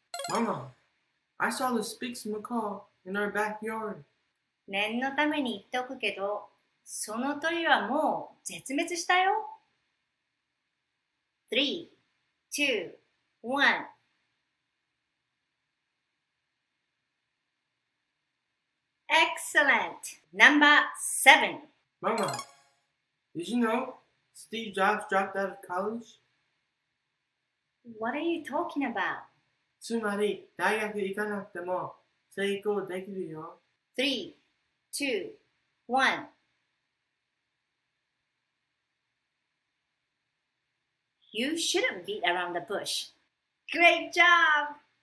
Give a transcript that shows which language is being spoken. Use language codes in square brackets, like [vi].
[en] ママ、I saw the Speaks Macaw in our backyard. [ja] 念のために言っておくけど、その鳥はもう絶滅したよ。 [en] 3、2、1。 Excellent! Number 7. Mama, did you know Steve Jobs dropped out of college? What are you talking about? [ja] つまり、大学行かなくても成功できるよ。 [en] 3, 2, 1. You shouldn't beat around the bush. Great job!